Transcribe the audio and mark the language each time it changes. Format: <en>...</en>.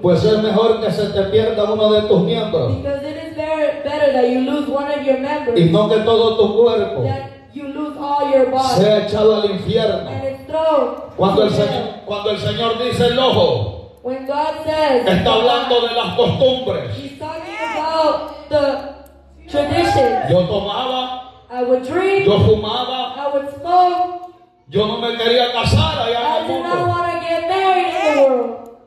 <es>Pues es mejor que se te pierda uno de tus miembros.</es> <en>Because it is better that you lose one of your members.</en> <es>Y no que todo tu cuerpo.</es> <en>You lose all your body.</en> <es>Se ha echado al infierno.</es> <en>And it's thrown.</en> <es>Cuando el Señor dice el ojo.</es> <en>When God says.</en> <es>Está hablando de las costumbres.</es> <en>He's talking about the traditions.</en> <es>Yo tomaba.</es> <en>I would drink.</en> <es>Yo fumaba.</es> <en>I would smoke.</en> <es>Yo no me quería casar allá en el mundo.</es> <en>I did not want to get married in the world.</en>